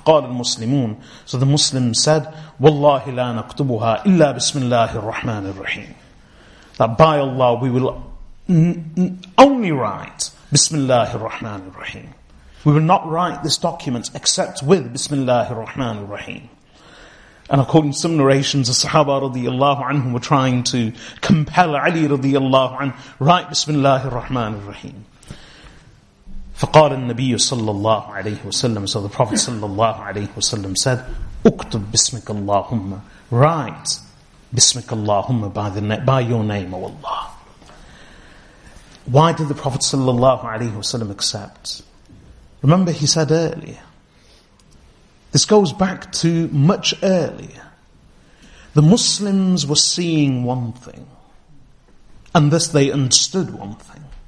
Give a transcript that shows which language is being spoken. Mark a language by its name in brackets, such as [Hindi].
[Arabic] فَقَالَ الْمُسْلِمُونَ, [English] so the Muslims said, [Arabic] وَاللَّهِ لَا نَكْتُبُهَا إِلَّا بِسْمِ اللَّهِ الرَّحْمَنِ الرَّحِيمِ, [English] that by Allah we will only write [Arabic] بِسْمِ اللَّهِ الرَّحْمَنِ الرَّحِيمِ, [English] we will not write this document except with Bismillahir Rahmanir Rahim. And according to some narrations, the Sahaba radiallahu anhu were trying to compel Ali radiallahu anhu, write Bismillahir Rahmanir Rahim. [Arabic] فقال النبي صلى الله عليه وسلم, [English] so the Prophet [Arabic] صلى الله عليه وسلم [English] said, [Arabic] اكتب بسمك اللهم, [English] write [Arabic] بسمك اللهم [English] by your name, O Allah. Why did the Prophet صلى الله عليه وسلم accept? Remember he said earlier, this goes back to much earlier, the Muslims were seeing one thing, and thus they understood one thing.